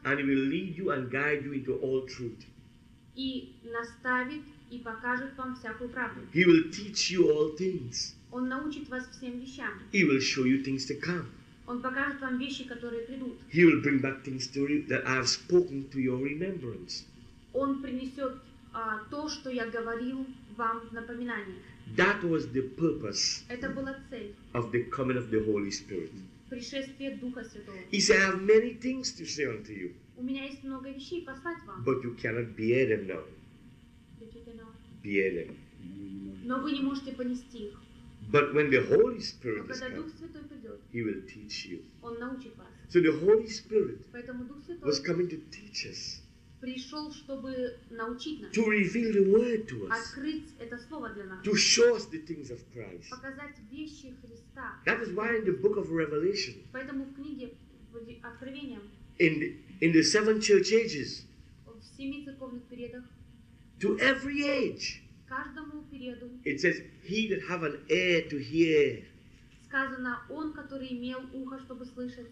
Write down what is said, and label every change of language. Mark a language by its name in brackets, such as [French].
[English] and he will lead you and guide you into all truth. [Russian] И наставит и покажет вам всякую правду. [English] He will teach you all things. [Russian] Он научит вас всем вещам. [English] He will show you things to come. [Russian] Он покажет вам вещи, которые придут. [English] He will bring back things to you that I have spoken to your remembrance. [Russian] Он принесет то, что я говорил вам в напоминание. [English] That was the purpose. [Russian] Это была цель. [English] Of the coming of the Holy Spirit. [Russian] Пришествие Духа Святого. [English] He said, I have many things to say unto you. [Russian] У меня есть много вещей послать вам. [English] But you cannot bear them now. Bear them. [Russian] Но вы не можете понести их. [English] But when the Holy Spirit is come, He will teach you. [Russian] Он научит вас. [English] So the Holy Spirit [Russian] Поэтому Дух Святой [English] was coming to teach us. [Russian] Пришел, чтобы научить нас. [English] To reveal the word to us. [Russian] Открыть это слово для нас. [English] To show us the things of Christ. [Russian] Показать вещи Христа. [English] That is why in the book of Revelation. [Russian] Поэтому в книге Откровения. [English] In the seven church ages. [Russian] В семи церковных периодах. [English] To every age. [Russian] Каждому периоду. [English] It says, he that have an ear to hear. [Russian] Сказано, он, который имел ухо, чтобы слышать.